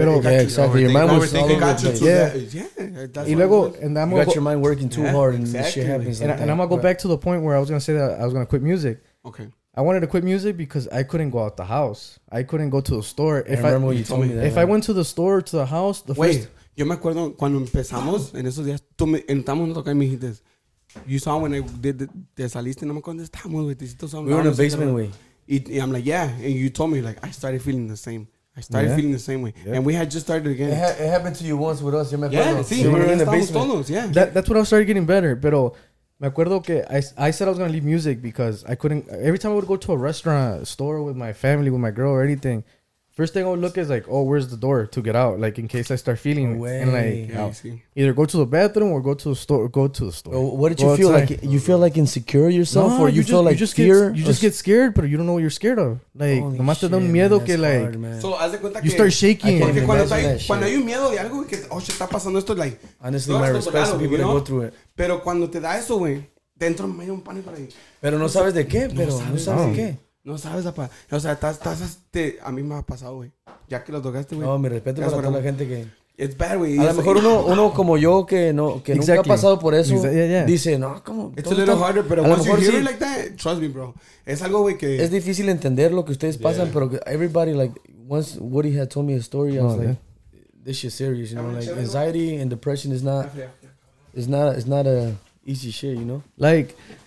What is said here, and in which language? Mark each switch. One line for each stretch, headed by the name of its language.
English: it got you. Exactly. Your mind was thinking got you too. Yeah. And luego, and I'm you got your mind working too hard, and exactly. Shit happens. And, like and I'm gonna go back to the point where I was gonna say that I was gonna quit music. Okay. I wanted to quit music because I couldn't go out the house. I couldn't go to the store. If I remember you told me that. If I went to the store to the house, the wait.
Spanish: Yo me acuerdo cuando empezamos en esos días. Tú me entramos a tocar y me dijiste.
English: You saw when I did the saliste,
Spanish: no me acuerdo, estamos,
English: we were in the basement way. And I'm like, yeah. And you told me, like, I started feeling the same. I started feeling the same way. Yep. And we had just started again. It happened to you once with us. That's when I started getting better.
Spanish: Pero me acuerdo que
English: I said I was going to leave music because I couldn't. Every time I would go to a restaurant, a store with my family, with my girl or anything, first thing I would look is like, oh, where's the door to get out? Like, in case I start feeling and like, either go to the bathroom or go to the store. What did you feel like? You feel like insecure yourself or you feel like fear? You just get scared, but you don't know what you're scared of. Like,
Spanish: no más te da miedo que like,
English: you start shaking.
Spanish: Porque cuando hay un miedo de algo que,
English: oh, shit,
Spanish: está pasando esto, like,
English: honestly, my respect to people that go through it.
Spanish: Pero cuando te da eso, güey, dentro me da un pánico ahí. Pero no sabes de qué, pero no sabes de qué. No sabes, apa. O sea, estás a mí me ha pasado, güey. Ya que lo tocaste, güey. No, mi respeto para toda la gente que...
English: It's bad, güey.
Spanish: A lo mejor uno como yo que nunca ha pasado por eso, dice, no, ¿cómo?
English: It's a little harder, pero once you hear it like that, trust me, bro.
Spanish: Es algo, güey, que... Es difícil entender lo que ustedes pasan, pero
English: everybody, like, once Woody had told me a story, I was like, this shit's serious, you know? Like, anxiety and depression is not... It's not a easy shit, you know? Like...